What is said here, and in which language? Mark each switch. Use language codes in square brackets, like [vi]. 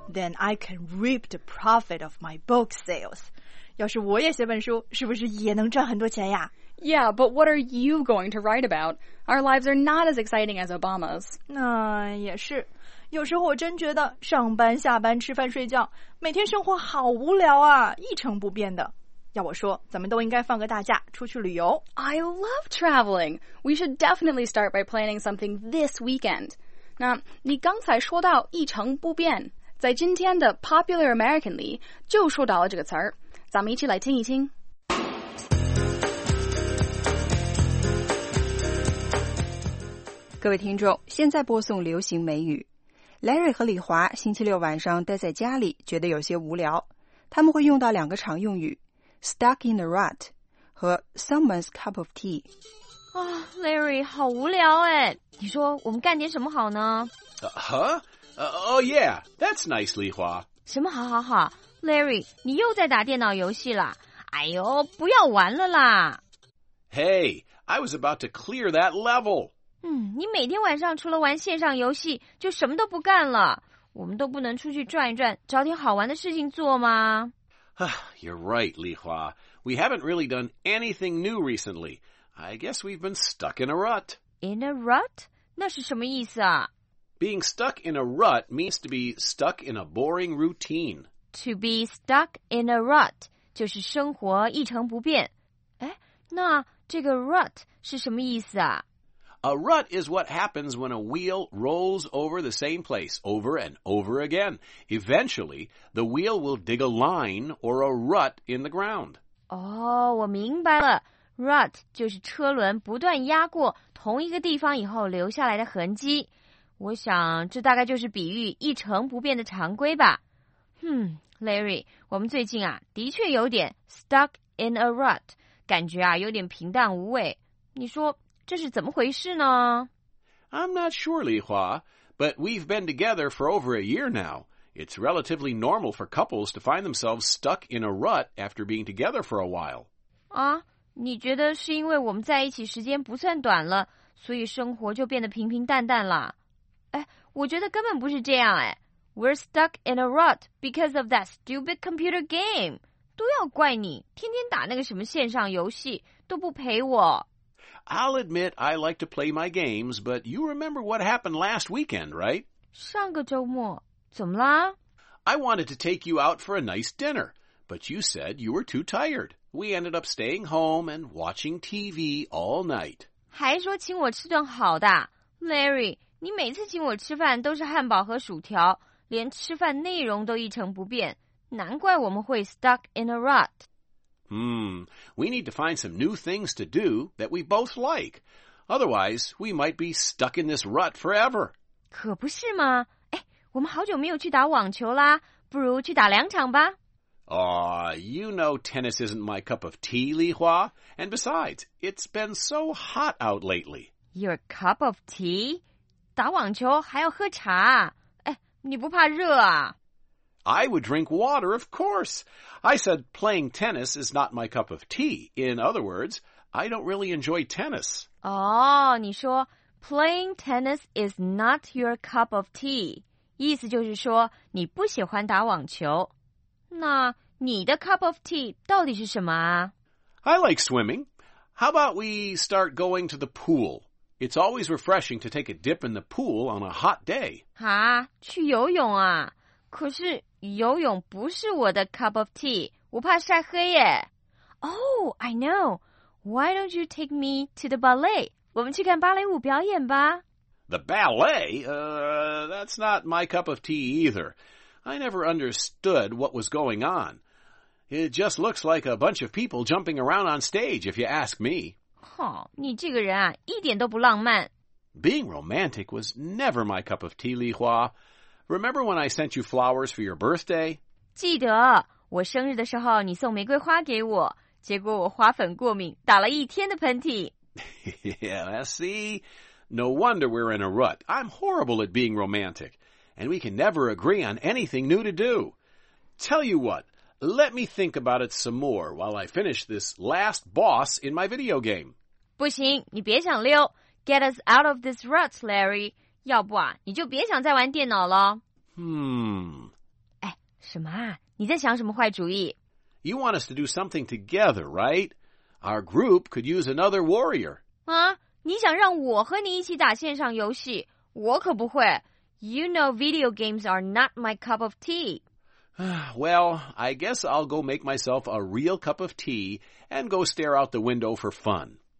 [en] Then I can reap the profit of my book sales. [zh] 要是我也写本书，是不是也能赚很多钱呀？ [en] Yeah, but what are you going to write about? Our lives are not as exciting as Obama's. [zh] 那也是。有时候我真觉得上班、下班、吃饭、睡觉，每天生活好无聊啊，一成不变的。要我说，咱们都应该放个大假，出去旅游。 [en] I love traveling. We should definitely start by planning something this weekend. [zh] 那你刚才说到一成不变，在今天的 Popular American 里就说到了这个词儿，咱们一起来听一听。各位听众，现在播送流行美语。 Larry 和李华星期六晚上待在家里觉得有些无聊，他们会用到两个常用语 Stuck in a rut 和 Someone's cup of tea。 Oh, Larry, 好无聊哎！你说我们干点什么好呢？ [en] Oh yeah, that's nice, 李华。 [zh] 什么好好好 ？Larry, 你又在打电脑游戏了？哎呦，不要玩了啦 [en] ！Hey, I was about to clear that level. [zh] 你每天晚上除了玩线上游戏，就什么都不干了。我们都不能出去转一转，找点好玩的事情做吗？ [en] You're right, 李华。We haven't really done anything new recently. I guess we've been stuck in a rut. In a rut? [zh] 那是什么意思啊? [en] Being stuck in a rut means to be stuck in a boring routine. To be stuck in a rut, [zh] 就是生活一成不变。哎，那这个 rut 是什么意思啊? [en] A rut is what happens when a wheel rolls over the same place over and over again. Eventually, the wheel will dig a line or a rut in the ground. [zh] 哦，我明白了。 Rut 就是车轮不断压过同一个地方以后留下来的痕迹，我想这大概就是比喻一成不变的常规吧。 Larry， 我们最近啊的确有点 [en] stuck in a rut， [zh] 感觉啊有点平淡无味，你说这是怎么回事呢？ [en] I'm not sure, 李华， but we've been together for over a year now. It's relatively normal for couples to find themselves stuck in a rut after being together for a while. [zh] 啊？你觉得是因为我们在一起时间不算短了，所以生活就变得平平淡淡了？哎，我觉得根本不是这样哎。 [en] We're stuck in a rut because of that stupid computer game. [zh] 都要怪你，天天打那个什么线上游戏，都不陪我。 [en] I'll admit I like to play my games, but you remember what happened last weekend, right? [zh] 上个周末，怎么啦？ [en] I wanted to take you out for a nice dinner, But you said you were too tired. We ended up staying home and watching TV all night. [zh] 还说请我吃顿好的。 Larry, 你每次请我吃饭都是汉堡和薯条，连吃饭内容都一成不变。难怪我们会 [en] stuck in a rut. We need to find some new things to do that we both like. Otherwise, we might be stuck in this rut forever. [zh] 可不是吗？哎，我们好久没有去打网球啦，不如去打两场吧。 [en] Aw, you know tennis isn't my cup of tea, Li Hua. And besides, it's been so hot out lately. Your cup of tea? [zh] 打网球还要喝茶？哎，你不怕热啊？ [en] I would drink water, of course. I said playing tennis is not my cup of tea. In other words, I don't really enjoy tennis. [zh] 哦，你说 [en] playing tennis is not your cup of tea. [zh] 意思就是说你不喜欢打网球。那你的 [en] cup of tea [zh] 到底是什么啊？ [en] I like swimming. How about we start going to the pool? It's always refreshing to take a dip in the pool on a hot day. [zh] 啊，去游泳啊？可是游泳不是我的 [en] cup of tea, [zh] 我怕晒黑耶。 [en] Oh, I know. Why don't you take me to the ballet? [zh] 我们去看芭蕾舞表演吧。 [en] The ballet? That's not my cup of tea either. I never understood what was going on. It just looks like a bunch of people jumping around on stage, if you ask me. [zh] 哼，你这个人啊，一点都不浪漫。 [en] Being romantic was never my cup of tea, Li Hua. Remember when I sent you flowers for your birthday? [zh] 记得，我生日的时候你送玫瑰花给我，结果我花粉过敏，打了一天的喷嚏。 [en] Yeah, see? No wonder we're in a rut. I'm horrible at being romantic, and we can never agree on anything new to do. Tell you what, let me think about it some more while I finish this last boss in my video game. [zh] 不行，你别想溜。 [en] Get us out of this rut, Larry. [zh] 要不啊，你就别想再玩电脑了。哎，什么啊？你在想什么坏主意 [en] ？You want us to do something together, right? Our group could use another warrior. [zh] 啊，你想让我和你一起打线上游戏？我可不会。 [en] You know video games are not my cup of tea. Well, I guess I'll go make myself a real cup of tea and go stare out the window for fun.